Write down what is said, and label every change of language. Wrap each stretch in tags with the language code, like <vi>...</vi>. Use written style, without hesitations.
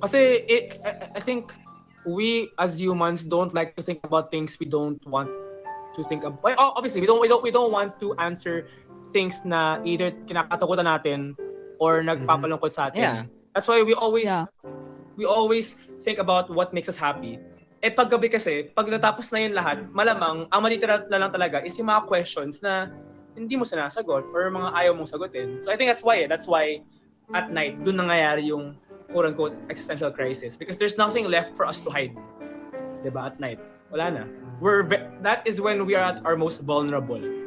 <en>Kasi I think we as humans don't like to think about things we don't want to think about. Obviously, we don't want to answer things na either</en> <tl>kinakatakutan natin or nagpapalungkot sa atin.</tl> <en>Yeah. That's why we always think about what makes us happy.</en> <tl>Eh paggabi kasi, pag natapos na 'yun lahat, malamang ang matitira na lang talaga is yung mga questions na hindi mo sinasagot or mga ayaw mong sagutin.</tl> <en>So I think that's why at night</en> <tl>doon nangyayari yung</tl> <en>quote-unquote existential crisis because there's nothing left for us to hide.</en> <tl>'Di ba?</tl> <en>At night,</en> <tl>wala na.</tl> <en>That is when we are at our most vulnerable.</en>